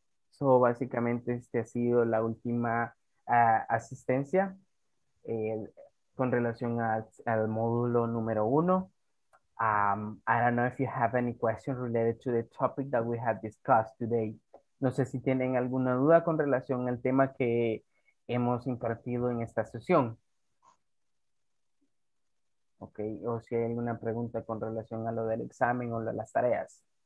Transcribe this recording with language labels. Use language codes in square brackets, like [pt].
[es] So, básicamente, este ha sido la última asistencia con relación al módulo número uno. [en] I don't know if you have any questions related to the topic that we have discussed today. [es] No sé si tienen alguna duda con relación al tema que hemos impartido en esta sesión. Ok, o si hay alguna pregunta con relación a lo del examen o las tareas.